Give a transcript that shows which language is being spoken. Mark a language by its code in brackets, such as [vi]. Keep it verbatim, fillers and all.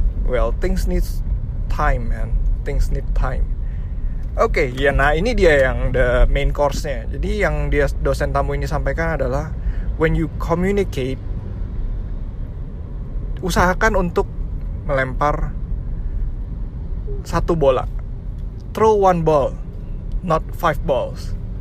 [en] Well, things need time man, things need time. [id] Oke, okay, ya nah ini dia yang the main course-nya. Jadi yang dia dosen tamu ini sampaikan adalah when you communicate, usahakan untuk melempar satu bola. [en] Throw one ball, not five balls.